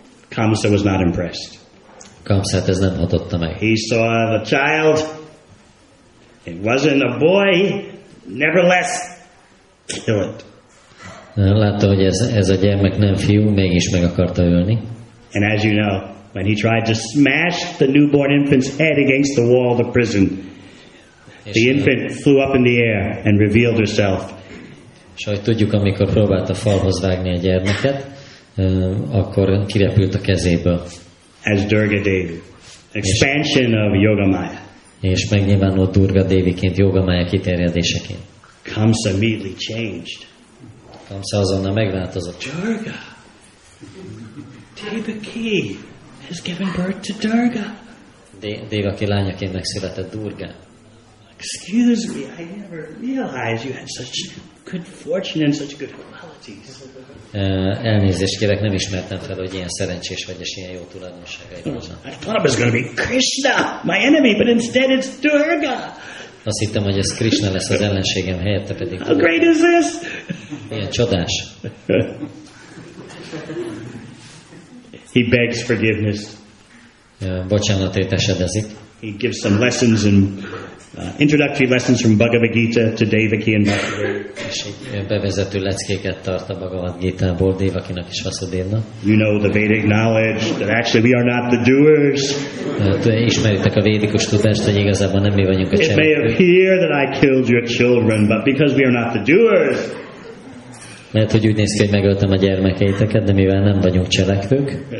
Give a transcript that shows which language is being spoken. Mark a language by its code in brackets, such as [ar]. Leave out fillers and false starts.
[en] Kamsa was not impressed. [hu] Kamsát ez nem hatotta meg. [en] He saw the child. It wasn't a boy. Nevertheless, kill it. [hu] Látta, hogy ez a gyermek nem fiú, mégis meg akarta ölni. [en] And as you know, when he tried to smash the newborn infant's head against the wall of the prison, the infant flew up in the air and revealed herself. [hu] És ahogy tudjuk, amikor próbált a falhoz vágni a gyermeket, akkor kirepült a kezéből. [en] As Durga Devi, expansion of Yoga Maya. [hu] És megnyilvánult Durga Deviként, Yoga Maya kiterjedéseként. [en] Kamsa immediately changed. [hu] Kamsa azonnal megváltozott. [en] Durga! Devaki has given birth to Durga. [hu] Devaki lányaként megszületett Durga. [en] Excuse me, I never realized you had such good fortune and such good qualities. [hu] Elnézést kérek, nem ismertem fel, hogy ilyen szerencsés vagy, és ilyen jó tulajdonságai vannak. [en] I thought it was going to be Krishna, my enemy, but instead it's Durga. [hu] Azt hittem, hogy ez Krishna lesz az ellenségem, helyette pedig [en] Durga. How great is this? [hu] Milyen csodás. [en] He begs forgiveness. [hu] Bocsánatért esedezik. [en] He gives some lessons in introductory lessons from Bhagavad Gita to Devaki and Vasudeva. [hu] Bevezető leckéket tart a Bhagavad Gita-ból Devakinak és Vasudevnak. [en] You know the Vedic knowledge that actually we are not the doers. [hu] Ismeritek a védikus tudást, hogy igazából nem mi vagyunk a cselekvők. [en] It may appear that I killed your children, but because we are not the doers. [hu] Lehet, hogy úgy néz ki, hogy megöltem a gyermekeiteket, de mivel nem vagyunk cselekvők.